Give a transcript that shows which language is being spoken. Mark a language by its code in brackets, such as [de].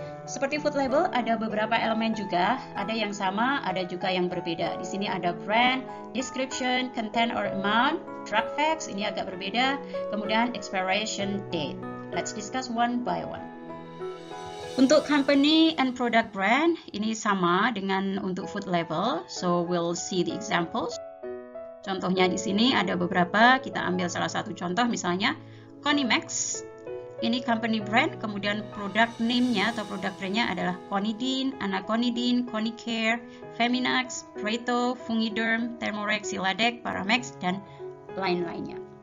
[id] Seperti food label ada beberapa elemen juga, ada yang sama, ada juga yang berbeda. Di sini ada brand, description, content or amount, drug facts, ini agak berbeda, kemudian expiration date. [en] Let's discuss one by one. [id] Untuk company and product brand, ini sama dengan untuk food label. [en] So, we'll see the examples. [id] Contohnya di sini ada beberapa, kita ambil salah satu contoh misalnya, Conimex. Ini company brand, kemudian product name-nya atau product brand-nya adalah Conidin, Anaconidin, Conicare, Feminax, Preto, Fungiderm, Thermorex, Siladec, Paramex, dan lain-lainnya.